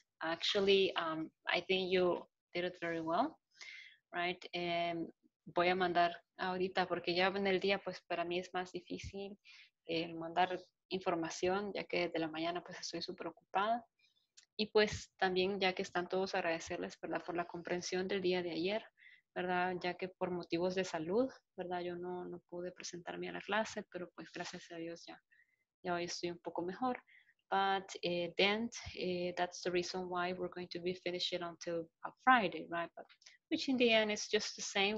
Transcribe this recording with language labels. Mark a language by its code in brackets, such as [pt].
[en] Actually, I think you did it very well, right? [es] Voy a mandar ahorita porque ya en el día, pues para mí es más difícil mandar información, ya que desde la mañana pues estoy súper ocupada. Y pues también ya que están todos, agradecerles, ¿verdad? Por la comprensión del día de ayer, ¿verdad? Ya que por motivos de salud, ¿verdad? Yo no pude presentarme a la clase, pero pues gracias a Dios ya hoy estoy un poco mejor. [en] But then, that's the reason why we're going to be finishing until Friday, right? But, which in the end is just the same.